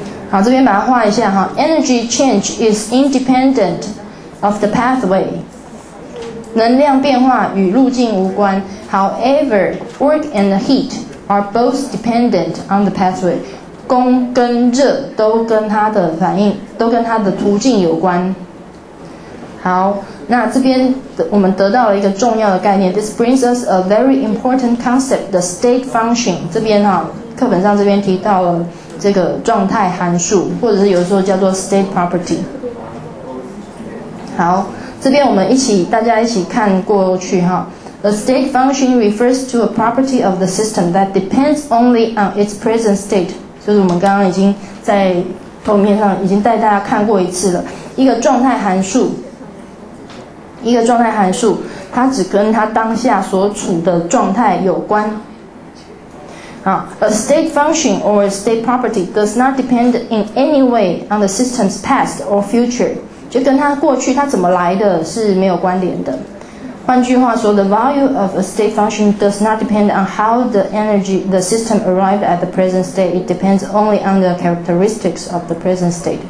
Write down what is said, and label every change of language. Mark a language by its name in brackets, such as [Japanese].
[Chinese] 好，这边把它画一下哈。 [English] Energy change is independent of the pathway. [Chinese] 能量变化与路径无关。 [English] However, work and heat are both dependent on the pathway. [Chinese] 功跟热都跟它的反应，都跟它的途径有关。好，那这边我们得到了一个重要的概念。 [English] This brings us a very important concept, the state function. [Chinese] 这边哈，课本上这边提到了这个状态函数，或者是有时候叫做 state property。好，这边我们大家一起看过去哈。 [English] A state function refers to a property of the system that depends only on its present state， [Chinese] 就是我们刚刚已经在投影片上已经带大家看过一次了。一个状态函数它只跟它当下所处的状态有关。 [English] A state function or a state property does not depend in any way on the system's past or future. [Chinese] 就跟它过去它怎么来的是没有关联的。换句话说 [English] ，the value of a state function does not depend on how the system arrived at the present state. It depends only on the characteristics of the present state.